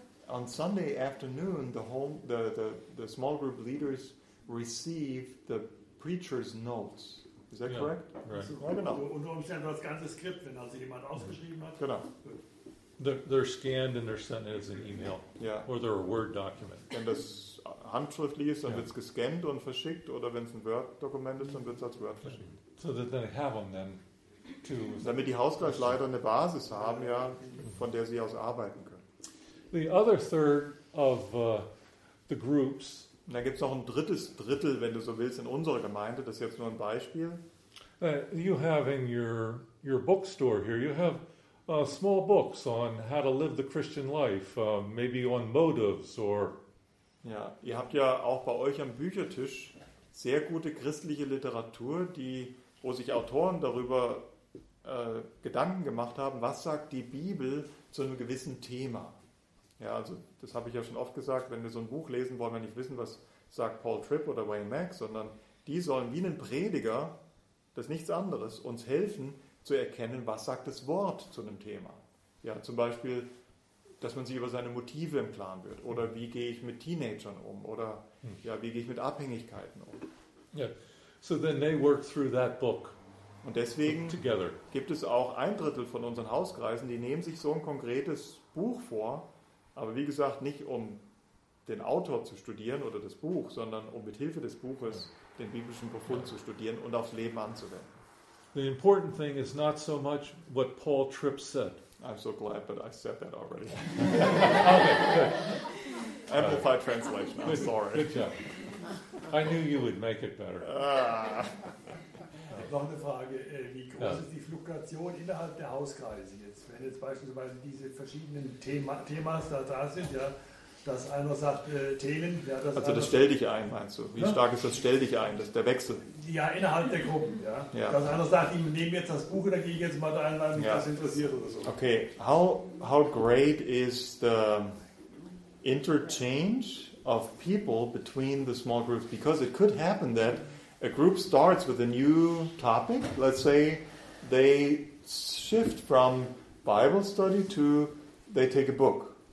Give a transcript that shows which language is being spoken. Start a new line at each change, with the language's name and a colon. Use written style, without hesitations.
English: On Sunday afternoon, the small group leaders receive the preacher's notes. Is that correct? Right.
German: Genau. Und umständlich das ganze Skript, wenn also jemand ausgeschrieben hat. Genau.
English: They're scanned and they're sent as an email. Yeah. Or they're a Word document.
German: Wenn das handschriftlich ist, dann wird es gescannt und verschickt. Oder wenn es ein Word-Dokument ist, dann wird es als Word verschickt.
English: So that they have them then.
German: Damit die Hausgleichleiter eine Basis haben, ja, von der sie aus arbeiten können.
English: The other third of the groups.
German: Und dann gibt es noch ein drittes Drittel, wenn du so willst, in unserer Gemeinde. Das ist jetzt nur ein Beispiel.
English: You have in your bookstore here, you have small books on how to live the Christian life, maybe on motives or...
German: Ja, ihr habt ja auch bei euch am Büchertisch sehr gute christliche Literatur, die, wo sich Autoren darüber Gedanken gemacht haben, was sagt die Bibel zu einem gewissen Thema. Ja, also das habe ich ja schon oft gesagt, wenn wir so ein Buch lesen, wollen wir nicht wissen, was sagt Paul Tripp oder Wayne Mack, sondern die sollen wie ein Prediger, das ist nichts anderes, uns helfen zu erkennen, was sagt das Wort zu einem Thema. Ja, zum Beispiel, dass man sich über seine Motive im Klaren wird oder wie gehe ich mit Teenagern um oder ja, wie gehe ich mit Abhängigkeiten um.
English: Yeah. So then they work through that book.
German: Und deswegen together. Gibt es auch ein Drittel von unseren Hauskreisen, die nehmen sich so ein konkretes Buch vor, aber wie gesagt, nicht um den Autor zu studieren oder das Buch, sondern um mit Hilfe des Buches den biblischen Befund zu studieren und aufs Leben anzuwenden.
English: The important thing is not so much what Paul Tripp said. I'm so glad that I said that already. Okay, good. Amplified translation, I'm sorry. Good job. I knew you would make it better.
German: Noch eine Frage, wie groß ist die Fluktuation innerhalb der Hauskreise jetzt? Wenn jetzt beispielsweise diese verschiedenen Themas da sind, ja, dass einer sagt, Themen... Ja, das also das Stell-Dich-Ein, meinst du? Wie stark ist das Stell-Dich-Ein, das, der Wechsel? Ja, innerhalb der Gruppen, ja. Ja. Dass einer sagt, ich nehme jetzt das Buch, da gehe ich jetzt mal rein, weil mich das interessiert oder so.
English: Okay, how great is the interchange of people between the small groups? Because it could happen that a group starts with a new topic. Let's say they shift from Bible study to they take a book.